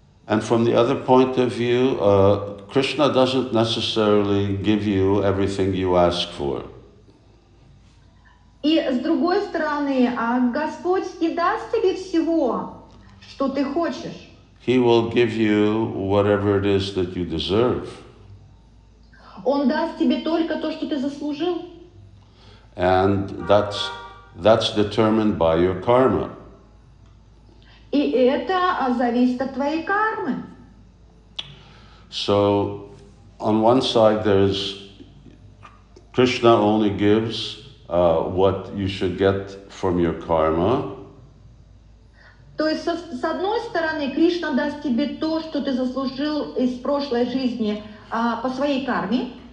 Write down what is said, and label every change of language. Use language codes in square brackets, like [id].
[en] And from the other point of view, Krishna doesn't necessarily give you everything you ask for. [ru] И с другой стороны, Господь не даст тебе всего, что ты хочешь. [en] He will give you whatever it is that you deserve. [ru] Он даст тебе только то, что ты заслужил. [en] And that's determined by your karma. [ru] И это зависит от твоей кармы. [en] So, on one side there's Krishna only gives what you should get from your karma. [ru] То есть с одной стороны Кришна даст тебе то, что ты заслужил из прошлой жизни по своей карме.